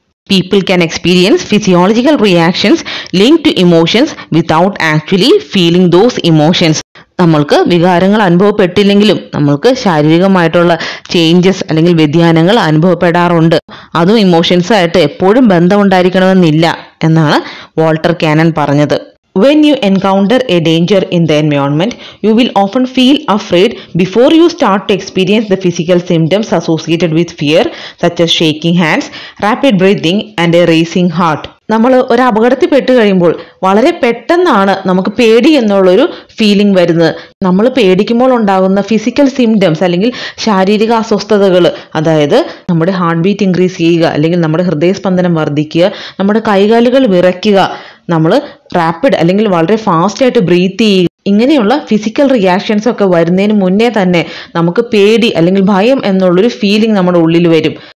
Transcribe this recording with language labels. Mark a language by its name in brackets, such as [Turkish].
[English] People can experience physiological reactions link to emotions without actually feeling those emotions. [Malayalam] നമ്മൾക്ക് വികാരങ്ങൾ അനുഭവപ്പെട്ടില്ലെങ്കിലും നമ്മൾക്ക് ശാരീരികമായിട്ടുള്ള changes അല്ലെങ്കിൽ വ്യതിയാനങ്ങൾ അനുഭവപ്പെടാറുണ്ട്. അതും ഇമോഷൻസായിട്ട് എപ്പോഴും ബന്ധമുണ്ടായിരിക്കണമെന്നില്ല എന്നാണ് വാൾട്ടർ കാനൺ പറഞ്ഞത്. [English] When you encounter a danger in the environment, you will often feel afraid before you start to experience the physical symptoms associated with fear, such as shaking hands, rapid breathing, and a racing heart. [Malayalam] നമ്മൾ ഒരു അപകടത്തിൽപ്പെട്ട് കഴിയുമ്പോൾ വളരെ പെട്ടെന്നാണ് നമുക്ക് പേടി എന്നുള്ളൊരു feeling വരുന്നത്. നമ്മൾ പേടിക്കുമ്പോൾ ഉണ്ടാകുന്ന ഫിസിക്കൽ സിംറ്റംസ് അല്ലെങ്കിൽ ശാരീരിക അസ്വസ്ഥതകൾ, അതായത് നമ്മുടെ ഹാർട്ട് ബീറ്റ് ഇൻക്രീസ് ചെയ്യുക, അല്ലെങ്കിൽ നമ്മുടെ ഹൃദയസ്പന്ദനം വർദ്ധിക്കുക, നമ്മുടെ കൈകാലുകൾ വിറയ്ക്കുക, നമ്മൾ റാപ്പിഡ് അല്ലെങ്കിൽ വളരെ ഫാസ്റ്റ് ആയിട്ട് ബ്രീത്ത് ചെയ്യുക, ഇങ്ങനെയുള്ള ഫിസിക്കൽ റിയാക്ഷൻസ് ഒക്കെ വരുന്നതിന് മുന്നേ തന്നെ നമുക്ക് പേടി അല്ലെങ്കിൽ ഭയം എന്നുള്ളൊരു ഫീലിംഗ് നമ്മുടെ ഉള്ളിൽ വരും.